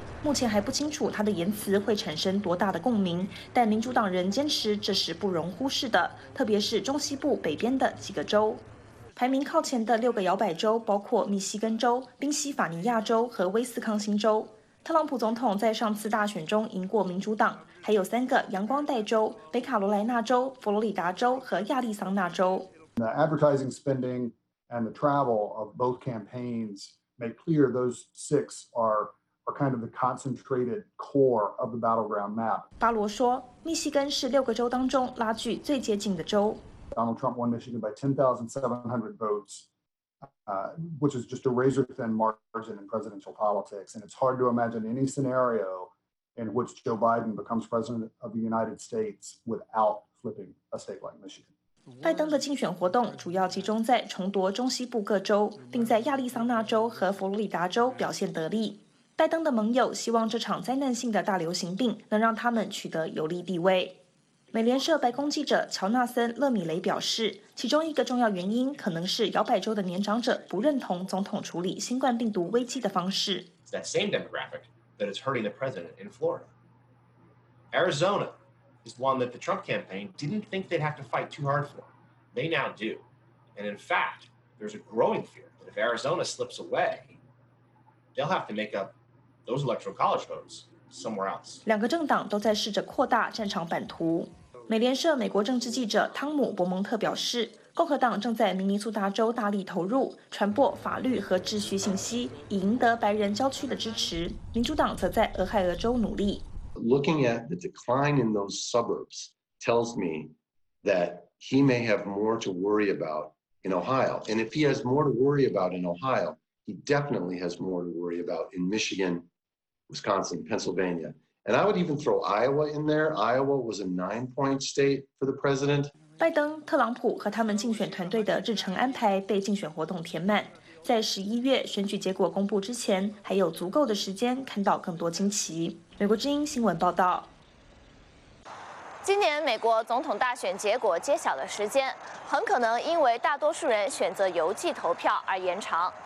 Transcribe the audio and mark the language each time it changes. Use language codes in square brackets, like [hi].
[zh] 目前还不清楚他的言辞会产生多大的共鸣，但民主党人坚持这是不容忽视的，特别是中西部北边的几个州。排名靠前的六个摇摆州包括密西根州、宾夕法尼亚州和威斯康星州。特朗普总统在上次大选中赢过民主党，还有三个阳光带州：北卡罗来纳州、佛罗里达州和亚利桑那州。 [en] The advertising spending and the travel of both campaigns make clear those six are kind of the concentrated core of the battleground map. [zh] 巴罗说，密西根是六个州当中拉距最接近的州。 [en] Donald Trump won Michigan by 10,700 votes, which is just a razor-thin margin in presidential politics, and it's hard to imagine any scenario. In which Joe Biden becomes president of the United States without flipping a state like Michigan. [zh] 拜登的竞选活动主要集中在重夺中西部各州，并在亚利桑那州和佛罗里达州表现得力。拜登的盟友希望这场灾难性的大流行病能让他们取得有利地位。美联社白宫记者乔纳森·勒米雷表示，其中一个重要原因可能是摇摆州的年长者不认同总统处理新冠病毒危机的方式。 [en] That same demographic. That is hurting the president in Florida. Arizona is one that the Trump campaign didn't think they'd have to fight too hard for. They now do. And in fact, there's a growing fear that if Arizona slips away, they'll have to make up those electoral college votes somewhere else. [zh] 两个政党都在试着扩大战场版图。美联社美国政治记者汤姆·伯蒙特表示，共和党正在明尼苏达州大力投入传播法律和秩序信息，以赢得白人郊区的支持。民主党则在俄亥俄州努力。 [en] Looking at the decline in those suburbs tells me that he may have more to worry about in Ohio. And if he has more to worry about in Ohio, he definitely has more to worry about in Michigan, Wisconsin, Pennsylvania. And I would even throw Iowa in there. Iowa was a 9-point state for the president. [zh] 拜登、特朗普和他们竞选团队的日程安排被竞选活动填满，在十一月选举结果公布之前，还有足够的时间看到更多惊奇。美国之音新闻报道。今年美国总统大选结果揭晓的时间，很可能因为大多数人选择邮寄投票而延长。